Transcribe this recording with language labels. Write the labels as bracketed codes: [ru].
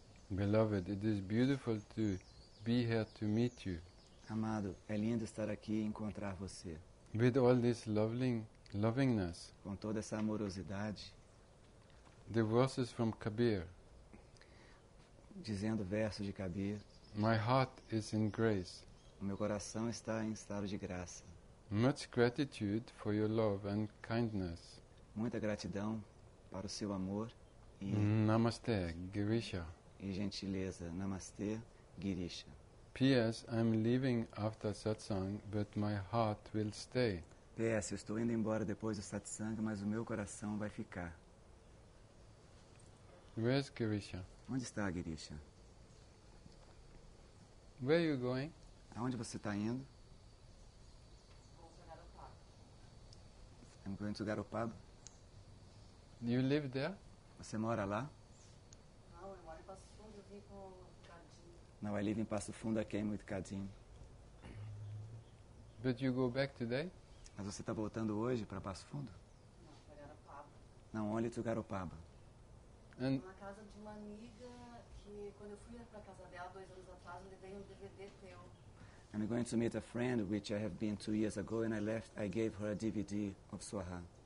[en] Beloved, it is beautiful to be here to meet you. [pt] Amado, é lindo estar aqui e encontrar você. [en] With all this lovingness. [pt] Com toda essa amorosidade. [en] The verses from Kabir. [pt] Dizendo versos de Kabir. [en] My heart is in grace. [pt] O meu coração está em estado de graça. [en] Much gratitude for your love and kindness. [pt] Muita gratidão para o seu amor e [en] Namaste, Girisha. [pt] E gentileza, Namaste, Girisha. [en] P.S. I'm leaving after satsang, but my heart will stay. [pt] P.S. Eu estou indo embora depois do satsang, mas o meu coração vai ficar. [en] Where's Girisha? [pt] Onde está a Girisha? [en] Where are you going? [pt] Aonde você está indo? [en] I'm going to Garopaba. Do you live there? [pt] Você mora lá? Não, eu moro em Passo Fundo, eu vim com o Cadinho. [en] Now I live in Passo Fundo, I came with Cadinho. But you go back today? [pt] Mas você está voltando hoje para Passo Fundo? Não, para Garopaba. [en] Não, only to Garopaba. [pt] And na casa de uma amiga que, quando eu fui para a casa dela 2 anos atrás, eu levei um DVD teu. [en] I'm going to meet a friend which I have been 2 years ago and I gave her a DVD of Swaha.